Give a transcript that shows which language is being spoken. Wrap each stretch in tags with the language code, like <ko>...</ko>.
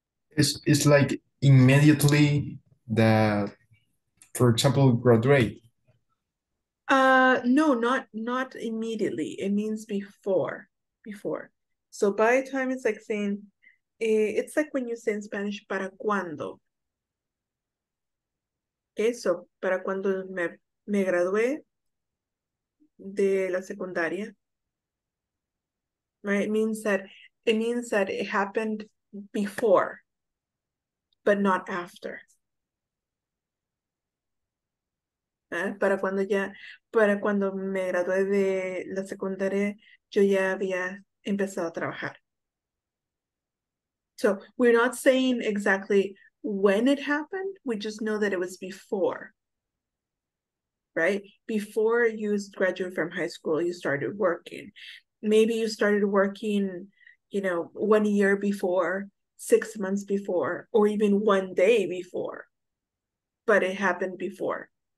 <en>It's like immediately that, for example, graduate. No, not immediately. It means before. So by the time it's like saying, it's like when you say in Spanish, para cuando.</en> <es>Okay, so para cuando me gradué de la secundaria, right?</es> <en>It means that it happened before, but not after.</en> <es>Para cuando ya, para cuando me gradué de la secundaria, yo ya había empezado a trabajar.</es> <en>So we're not saying exactly when it happened, we just know that it was before, right? Before you graduated from high school, you started working. Maybe you started working, you know, 1 year before, 6 months before, or even one day before, but it happened before.</en>